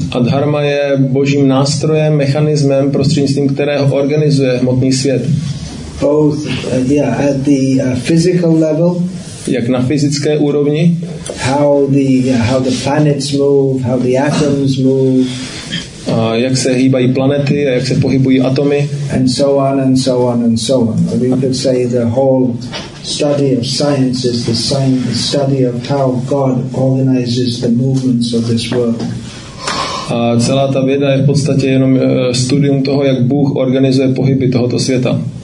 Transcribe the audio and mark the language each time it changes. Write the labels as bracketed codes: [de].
[cs] A dharma je Božím nástrojem, mechanismem, prostřednictvím kterého organizuje hmotný svět. [en] Both at the physical level. [cs] Jak na fyzické úrovni. [en] How the planets move, how the atoms move. [cs] A jak se hýbají planety a jak se pohybují atomy. [en] And so on and so on and so on. We could say the whole study of science is the same study of how God organizes the movements of this world. [cs] A celá ta věda je v podstatě jenom studium toho, jak Bůh organizuje pohyby tohoto světa.